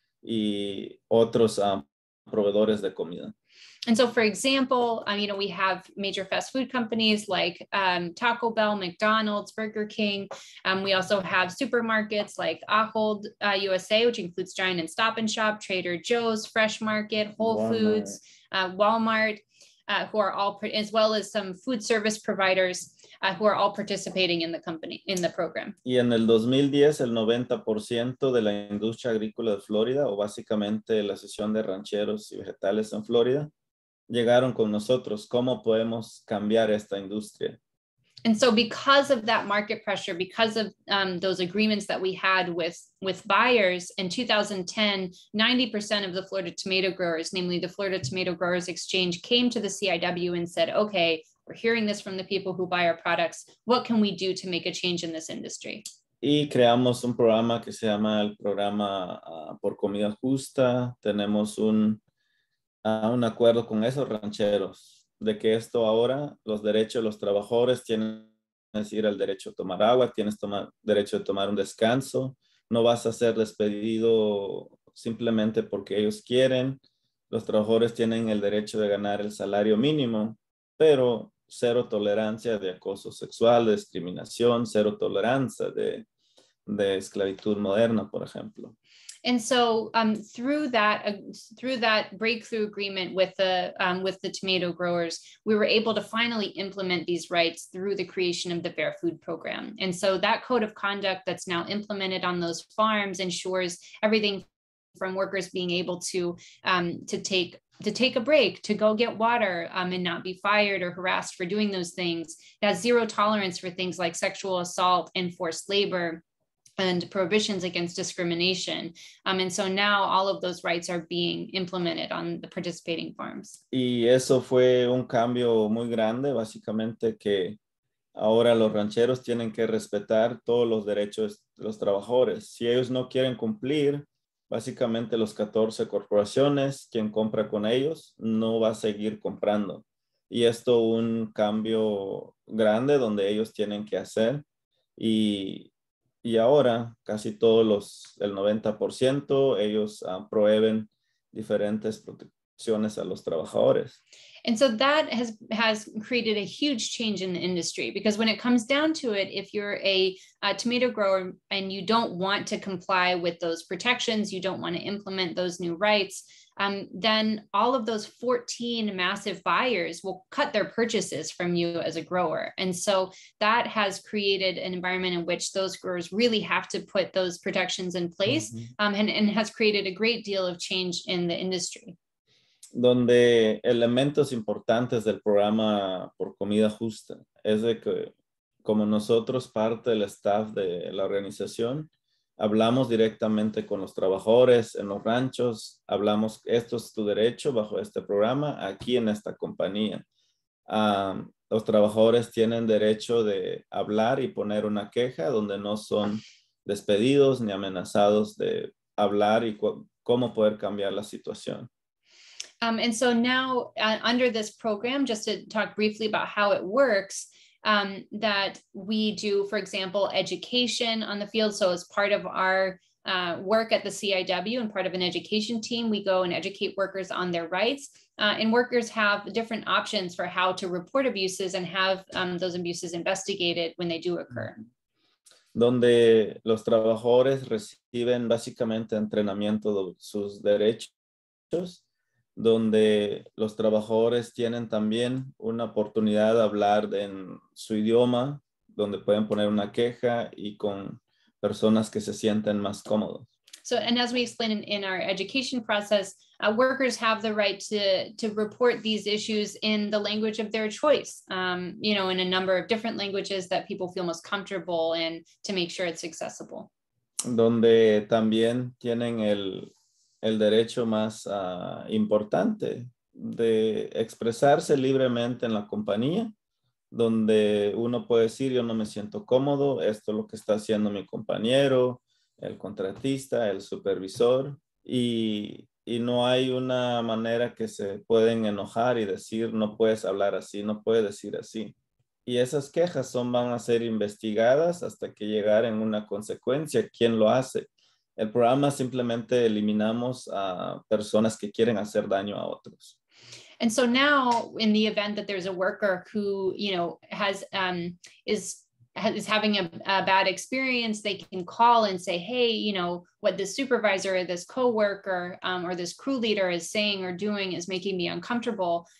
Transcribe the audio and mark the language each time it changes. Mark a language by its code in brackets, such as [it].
[es] Y otros proveedores de comida. [en] And so, for example, we have major fast food companies like Taco Bell, McDonald's, Burger King. We also have supermarkets like Ahold USA, which includes Giant and Stop and Shop, Trader Joe's, Fresh Market, Whole Walmart. Foods, Walmart, who are all, as well as some food service providers who are all participating in the company, in the program. [es] Y en el 2010, el 90% de la industria agrícola de Florida, o básicamente la sección de rancheros y vegetales en Florida, llegaron con nosotros. ¿Cómo podemos cambiar esta industria? [en] And so because of that market pressure, because of those agreements that we had with buyers in 2010, 90% of the Florida tomato growers, namely the Florida Tomato Growers Exchange, came to the CIW and said, okay, we're hearing this from the people who buy our products. What can we do to make a change in this industry? [es] Y creamos un programa que se llama el programa por comida justa. Tenemos un acuerdo con esos rancheros de que esto ahora, los derechos de los trabajadores tienen es decir el derecho a tomar agua, tienes tomar derecho de tomar un descanso. No vas a ser despedido simplemente porque ellos quieren. Los trabajadores tienen el derecho de ganar el salario mínimo, pero cero tolerancia de acoso sexual, de discriminación, cero tolerancia de esclavitud moderna, por ejemplo. [en] And so through that breakthrough agreement with the tomato growers, we were able to finally implement these rights through the creation of the Fair Food Program. And so that code of conduct that's now implemented on those farms ensures everything from workers being able to take a break, to go get water and not be fired or harassed for doing those things. It has zero tolerance for things like sexual assault and forced labor and prohibitions against discrimination. And so now all of those rights are being implemented on the participating farms. [es] Y eso fue un cambio muy grande, básicamente que ahora los rancheros tienen que respetar todos los derechos de los trabajadores. Si ellos no quieren cumplir, básicamente los 14 corporaciones, quien compra con ellos, no va a seguir comprando. Y esto un cambio grande donde ellos tienen que hacer. Y ahora casi todos los, el 90%, ellos prohíben diferentes protecciones a los trabajadores. [en] And so that has created a huge change in the industry, because when it comes down to it, if you're a tomato grower and you don't want to comply with those protections, you don't want to implement those new rights, then all of those 14 massive buyers will cut their purchases from you as a grower. And so that has created an environment in which those growers really have to put those protections in place, mm-hmm. and has created a great deal of change in the industry. [es] Donde elementos importantes del programa por comida justa es de que, como nosotros, parte del staff de la organización, hablamos directamente con los trabajadores en los ranchos, hablamos, esto es tu derecho bajo este programa, aquí en esta compañía. Los trabajadores tienen derecho de hablar y poner una queja donde no son despedidos ni amenazados de hablar y cómo poder cambiar la situación. [en] And so now under this program, just to talk briefly about how it works, that we do, for example, education on the field. So as part of our work at the CIW and part of an education team, we go and educate workers on their rights. And workers have different options for how to report abuses and have those abuses investigated when they do occur. [es] donde los trabajadores reciben básicamente entrenamiento de sus derechos, donde los trabajadores tienen también una oportunidad de hablar en su idioma, donde pueden poner una queja y con personas que se sienten más cómodos. [en] So, and as we explained in our education process, workers have the right to report these issues in the language of their choice, in a number of different languages that people feel most comfortable in to make sure it's accessible. [es] Donde también tienen el derecho más importante de expresarse libremente en la compañía, donde uno puede decir, yo no me siento cómodo, esto es lo que está haciendo mi compañero, el contratista, el supervisor, y no hay una manera que se pueden enojar y decir, no puedes hablar así, no puedes decir así. Y esas quejas van a ser investigadas hasta que llegar en una consecuencia, ¿quién lo hace? El programa simplemente eliminamos a personas que quieren hacer daño a otros. [en] And so now, in the event that there's a worker who, is having a bad experience, they can call and say, hey, what this supervisor or this coworker or this crew leader is saying or doing is making me uncomfortable.